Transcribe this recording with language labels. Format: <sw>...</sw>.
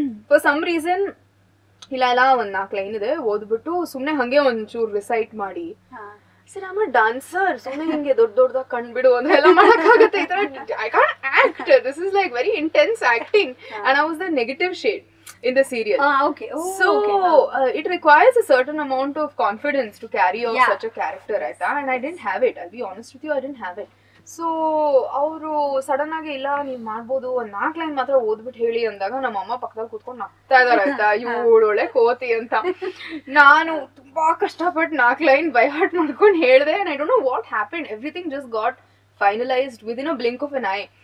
<en>for some reason</en> <kn>ಇಲ್ಲ ಎಲ್ಲ ಒಂದ್ ನಾಲ್ಕು ಲೈನ್ ಇದೆ ಓದ್ಬಿಟ್ಟು ಸುಮ್ಮನೆ ಹಂಗೆ ಒಂಚೂರು ರಿಸೈಟ್ ಮಾಡಿ</kn> <en>sir am a dancer</en> <kn>ಸುಮ್ಮನೆ ಹಿಂಗೆ ದೊಡ್ಡ ದೊಡ್ಡದಾಗ ಕಣ್ಬಿಡು ಅಂತ ಎಲ್ಲ ಮಾಡೋಕ್ಕಾಗುತ್ತೆ. ಈ ತರ</kn> <en>I can't act, this is like very intense acting and I was the negative shade in the serial. So, it requires a certain amount of confidence to carry out such a character, right? And I didn't have it. I'll be honest with you, I didn't have it.</en> <kn>So, ಅವರು sudden ಆಗಿ ಇಲ್ಲ ನೀವು ಮಾಡ್ಬೋದು ಒಂದ್ ನಾಲ್ಕು line ಮಾತ್ರ ಓದ್ಬಿಟ್ಟು ಹೇಳಿ ಅಂದಾಗ ನಮ್ಮ ಅಮ್ಮ ಪಕ್ಕದಲ್ಲಿ ಕುತ್ಕೊಂಡು ನಗ್ತಾ ಇದಾರೆ ಆಯ್ತಾ, ಇವಳೊಳೆ ಕೋತಿ ಅಂತ. ನಾನು ತುಂಬಾ ಕಷ್ಟಪಟ್ಟು ನಾಲ್ಕು ಲೈನ್ ಬೈ ಹಾರ್ಟ್ ಮಾಡ್ಕೊಂಡು ಹೇಳಿದೆ.</kn> <en>I don't know what happened, everything just got finalised within a blink of an eye.</en>